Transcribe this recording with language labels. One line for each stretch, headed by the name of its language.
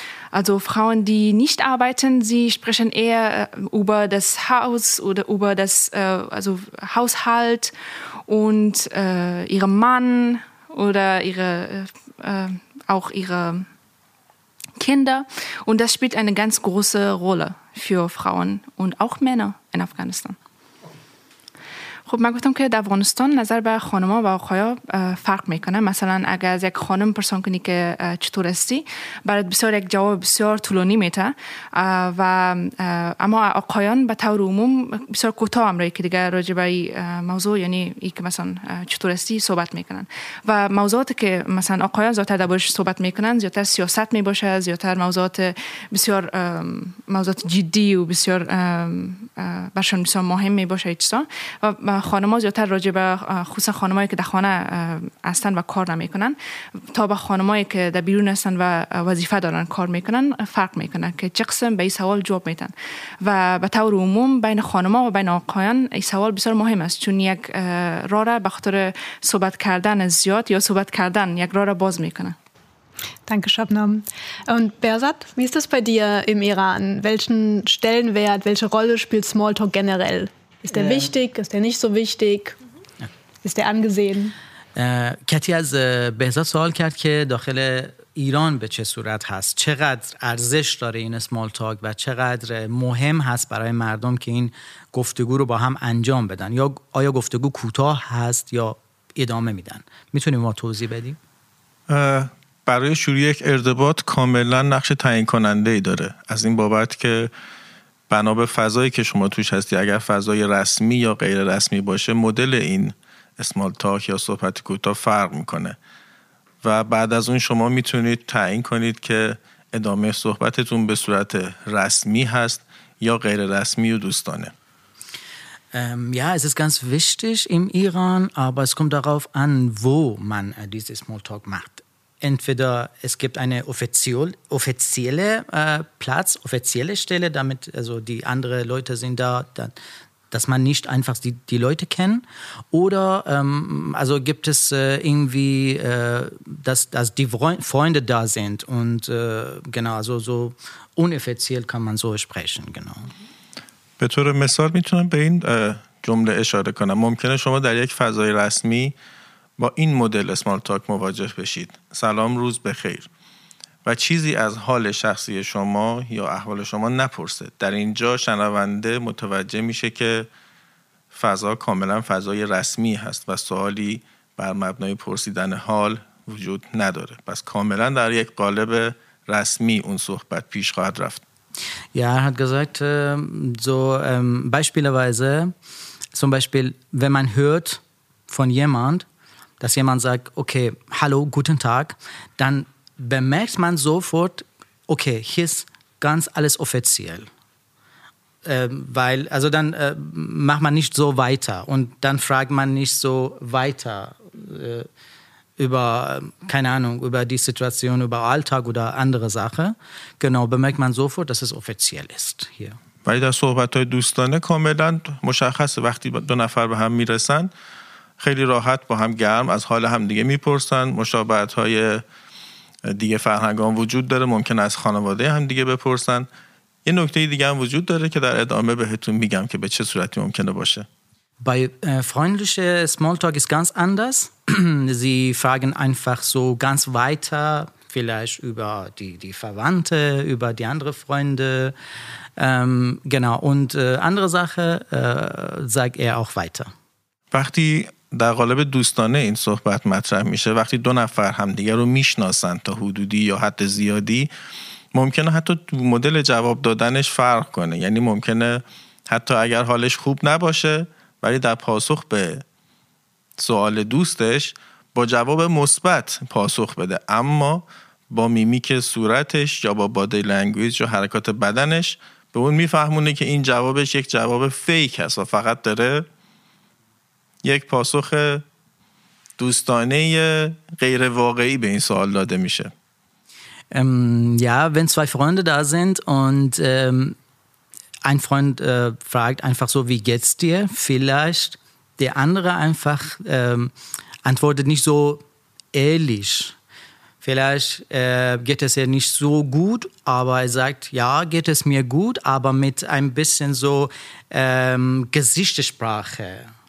German: Also Frauen, die nicht arbeiten, sie sprechen eher über das Haus oder über das also Haushalt und ihren Mann oder ihre auch ihre Kinder. Und das spielt eine ganz große Rolle für Frauen und auch Männer in Afghanistan.
Persian: خب من گفتم که در افغانستان نظر به خانما و آقایا فرق میکنه. مثلا اگر از یک خانم پرسان کنی که چطور هستی، برات بسیار یک جواب بسیار طولانی میده، و اما آقایان به طور عموم بسیار کوتاه امری که دیگه راجع به موضوع، یعنی ای که مثلا چطور هستی صحبت میکنن. و موضوعات که مثلا آقایان زیاد دربارش صحبت میکنن زیادتر سیاست میباشه، زیادتر موضوعات بسیار موضوعات جدی و بسیار برشان بسیار مهم میباشه ایچسا. و خانما زیادتر راجع به خصوصا خانمایی که در خانه هستن و کار نمیکنن تا به خانمایی که در بیرون هستن و وظیفه دارن کار میکنن فرق میکنن که چه قسم به این سوال جواب میتن. و به طور عموم بین خانما و بین آقایان این سوال بسیار مهم است، چون یک راه را به خاطر صحبت کردن زیاد یا صحبت کردن یک راه را باز میکنه.
German: Danke, Shabnam. Und Behzad, wie ist das bei dir im Iran? Welchen Stellenwert, welche Rolle spielt Smalltalk generell? Ist der wichtig, ist der nicht so wichtig? Ist der angesehen? Kati hat Behzad gefragt, dass in der Iran in welcher Form ist. Wie viel Wert hat dieser Smalltalk und wie viel wichtig ist für die Menschen, dass sie diese
Persian: گفتگو رو با هم انجام بدن. یا آیا گفتگو کوتاه هست یا ادامه میدن؟ میتونیم ما توضیح بدیم؟ برای شروع یک ارتباط کاملا نقش تعیین کننده ای داره، از این بابت که بنا به فضایی که شما توش هستی، اگر فضای رسمی یا غیر رسمی باشه، مدل این اسمال تاک یا صحبت کوتاه فرق میکنه و بعد از اون شما میتونید تعیین کنید که ادامه صحبتتون به صورت رسمی هست یا غیر رسمی و دوستانه.
German: Ja, es ist ganz wichtig im Iran, aber es kommt darauf an, wo man dieses Smalltalk macht. Entweder es gibt eine offizielle Platz, offizielle Stelle, damit also die anderen Leute sind da, dass man nicht einfach die Leute kennt. Oder also gibt es irgendwie, dass die Freunde da sind und genau, also so unoffiziell kann man so sprechen, genau.
Persian: به طور مثال میتونم به این جمله اشاره کنم. ممکنه شما در یک فضای رسمی با این مدل اسمال تاک مواجه بشید. سلام، روز بخیر. و چیزی از حال شخصی شما یا احوال شما نپرسه. در اینجا شنونده متوجه میشه که فضا کاملا فضای رسمی هست و سوالی بر مبنای پرسیدن حال وجود نداره. پس کاملا در یک قالب رسمی اون صحبت پیش خواهد رفت.
German: Ja, er hat gesagt, so beispielsweise, zum Beispiel, wenn man hört von jemand, dass jemand sagt, okay, hallo, guten Tag, dann bemerkt man sofort, okay, hier ist ganz alles offiziell. Weil macht man nicht so weiter und dann fragt man nicht so weiter über, keine Ahnung, über die Situation, über Alltag oder andere Sache. Genau, bemerkt man sofort, dass es offiziell ist hier. Weil das
Persian: صحبت‌های دوستانه کاملاً مشخصه. وقتی دو نفر به هم میرسن خیلی راحت با هم گرم از حال هم دیگه میپرسن. مشابهت‌های دیگه فرهنگان وجود داره، ممکن از خانواده هم دیگه بپرسن. یه نکته دیگه هم وجود داره که در ادامه بهتون میگم که به چه صورتی ممکنه باشه.
German: Bei freundlicher Smalltalk ist ganz anders. Sie fragen einfach so ganz weiter, vielleicht über die Verwandte, über die anderen Freunde. Genau. Und andere Sache sagt er auch weiter.
Persian: وقتی در قالب دوستانه این صحبت مطرح میشه، وقتی دو نفر همدیگر رو میشناسن تا حدودی یا حتی زیادی، ممکنه حتی مدل جواب دادنش فرق کنه. یعنی ممکنه حتی اگر حالش خوب نباشه، ولی در پاسخ به سوال دوستش با جواب مثبت پاسخ بده، اما با میمیک صورتش یا با بادی لنگویج و حرکات بدنش به اون میفهمونه که این جوابش یک جواب فیک هست و فقط داره یک پاسخ دوستانه غیر واقعی به این سوال داده میشه.
German: Wenn zwei Freunde da sind und ein Freund fragt einfach so, wie geht's dir? Vielleicht der andere einfach antwortet nicht so ehrlich. Vielleicht geht es ja nicht so gut, aber er sagt, ja, geht es mir gut, aber mit ein bisschen so Gesichtssprache.